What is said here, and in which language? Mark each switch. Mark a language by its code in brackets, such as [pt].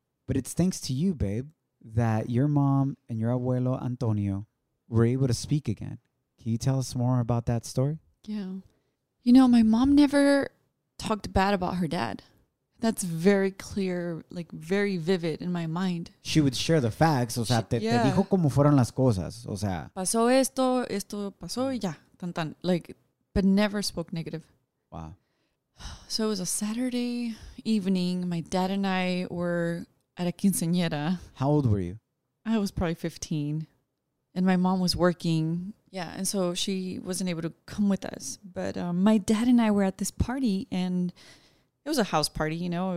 [en] But it's thanks to you, babe, that your mom and your abuelo Antonio were able to speak again. Can you tell us more about that story? Yeah. You know, my mom never talked bad about her dad. That's very clear, like very vivid in my mind. She would share the facts. [es] Te dijo cómo fueron las cosas. O sea, pasó esto, esto pasó y ya. Tan, tan. [en] Like, but never spoke negative. Wow. So it was a Saturday evening. My dad and I were at a quinceañera. How old were you? I was probably 15. And my mom was working. Yeah, and so she wasn't able to come with us. But my dad and I were at this party, and it was a house party, you know.